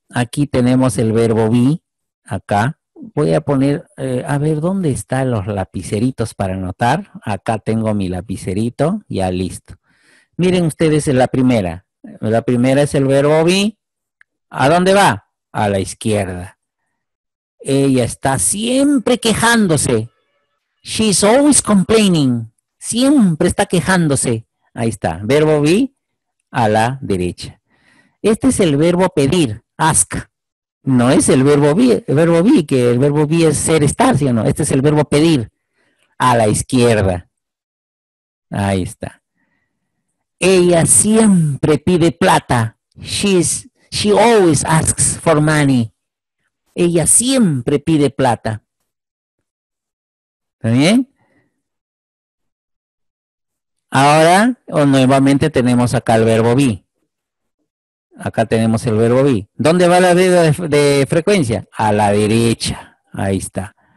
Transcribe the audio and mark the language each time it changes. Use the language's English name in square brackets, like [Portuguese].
[Spanish] Aquí tenemos el verbo be, acá. Voy a poner, a ver, ¿dónde están los lapiceritos para anotar? Acá tengo mi lapicerito, ya listo. Miren ustedes en la primera. La primera es el verbo be. ¿A dónde va? A la izquierda. Ella está siempre quejándose. [English] She's always complaining. [Spanish] Siempre está quejándose. Ahí está, verbo be a la derecha. Este es el verbo pedir. Ask. No es el verbo be es ser, estar, ¿sí o no? Este es el verbo pedir a la izquierda. Ahí está. Ella siempre pide plata. [English] She always asks for money. [Spanish] Ella siempre pide plata. ¿Está bien? Ahora, o nuevamente tenemos acá el verbo be. Acá tenemos el verbo be. ¿Dónde va la de frecuencia? A la derecha. Ahí está.